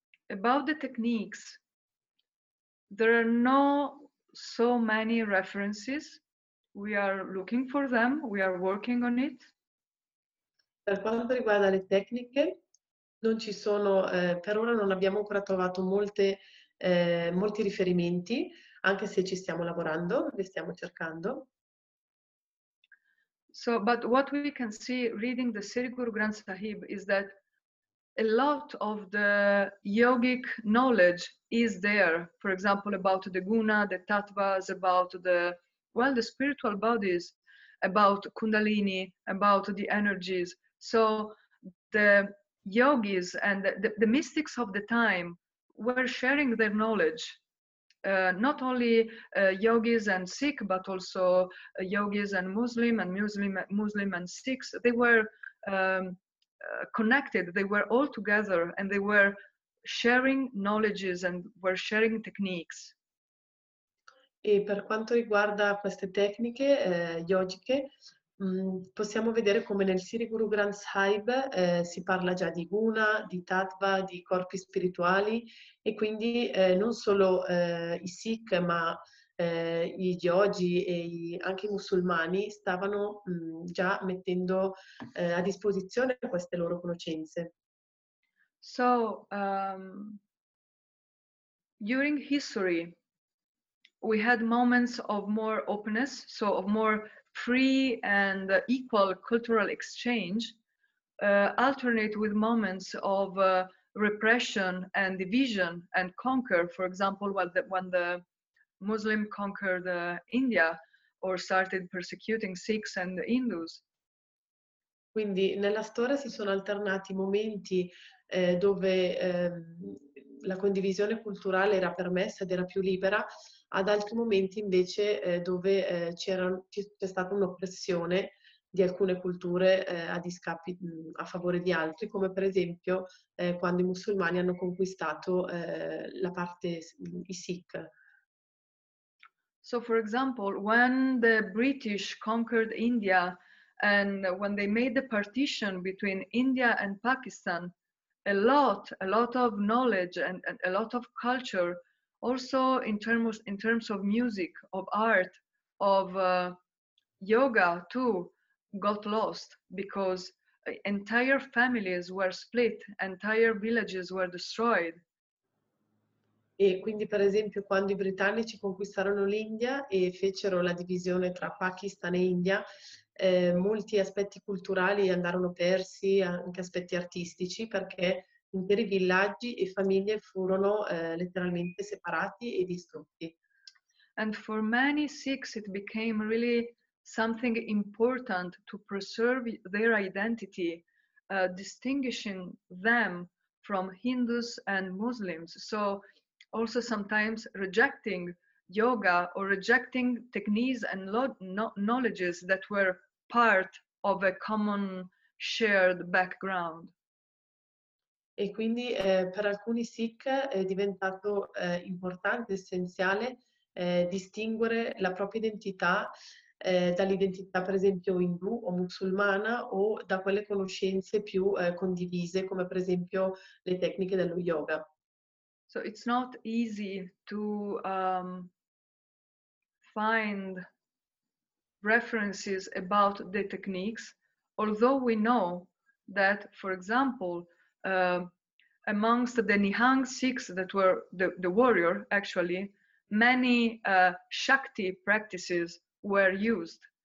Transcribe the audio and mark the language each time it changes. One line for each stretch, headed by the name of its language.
English: About the techniques, there are no so many references. We are looking for them, we are working on it.
Italian: Per quanto riguarda le tecniche, non ci sono, per ora non abbiamo ancora trovato molti riferimenti, anche se ci stiamo lavorando, le stiamo cercando.
English: So, but what we can see reading the Sri Guru Granth Sahib is that a lot of the yogic knowledge is there, for example, about the guna, the tattvas, about the spiritual bodies, about kundalini, about the energies. So the yogis and the mystics of the time were sharing their knowledge, not only yogis and Sikh, but also yogis and Muslim, and Muslim and Sikhs. They were connected, they were all together, and they were sharing knowledges and were sharing techniques.
Italian: E per quanto riguarda queste tecniche yogiche, possiamo vedere come nel Sri Guru Granth Sahib si parla già di guna, di tattva, di corpi spirituali e quindi non solo i Sikh ma i yogi e anche i musulmani stavano già mettendo a disposizione queste loro conoscenze.
English: So, during history we had moments of more openness, so of more free and equal cultural exchange, alternate with moments of repression and division and conquer. For example, when the Muslim conquered India or started persecuting Sikhs and the Hindus.
Italian: Quindi nella storia si sono alternati momenti dove la condivisione culturale era permessa ed era più libera, ad altri momenti invece dove c'è stata un'oppressione di alcune culture a favore di altri, come per esempio quando i musulmani hanno conquistato la parte i Sikh.
English: So for example, when the British conquered India and when they made the partition between India and Pakistan, a lot of knowledge and a lot of culture, also in terms of music, of art, of yoga too, got lost because entire families were split, entire villages were destroyed.
Italian: E quindi per esempio quando i britannici conquistarono l'India e fecero la divisione tra Pakistan e India, molti aspetti culturali andarono persi, anche aspetti artistici, perché interi villaggi e famiglie furono letteralmente separati e distrutti.
English: And for many Sikhs it became really something important to preserve their identity, distinguishing them from Hindus and Muslims. So also sometimes rejecting yoga or rejecting techniques and knowledges that were part of a common shared background.
Italian: E quindi per alcuni Sikh è diventato importante, essenziale, distinguere la propria identità dall'identità per esempio indù o musulmana o da quelle conoscenze più condivise come per esempio le tecniche dello yoga.
English: So it's not easy to find references about the techniques, although we know that, for example, amongst the Nihang Sikhs that were the warrior, actually, many Shakti practices were used.